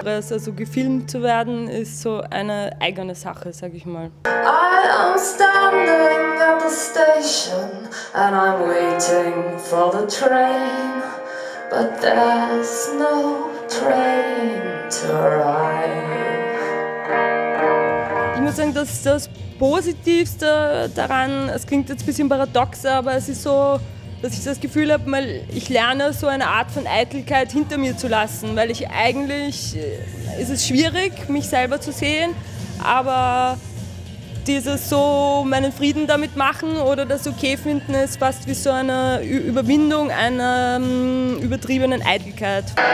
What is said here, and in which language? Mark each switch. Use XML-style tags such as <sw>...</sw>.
<de>Also gefilmt zu werden, ist so eine eigene Sache, sag ich mal.</de> <en>I am standing at the station and I'm waiting for the train, but there's no train to arrive.</en> <de>Ich muss sagen, dass das Positivste daran, es klingt jetzt ein bisschen paradox, aber es ist so, dass ich das Gefühl habe, ich lerne so eine Art von Eitelkeit hinter mir zu lassen, weil ich eigentlich, ist es schwierig, mich selber zu sehen, aber dieses so meinen Frieden damit machen oder das okay finden, ist fast wie so eine Überwindung einer übertriebenen Eitelkeit.</de>